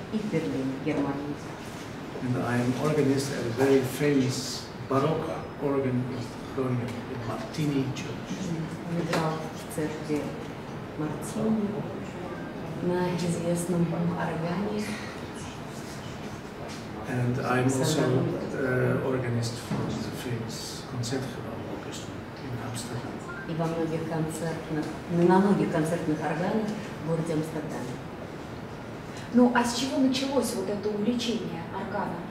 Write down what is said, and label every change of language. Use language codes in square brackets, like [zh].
[ru] И в Берлине, Германии. [en] And I am organist at a very famous baroque organ in Groningen, in Martini Church. [ru] Я играл в церкви Мартини на известном органе. [en] And I'm also organist for the famous Concertgebouw Orchestra in Amsterdam. [ru] И во многих концертных, на многих концертных органах в городе Амстердаме. Ну, а с чего началось вот это увлечение органом?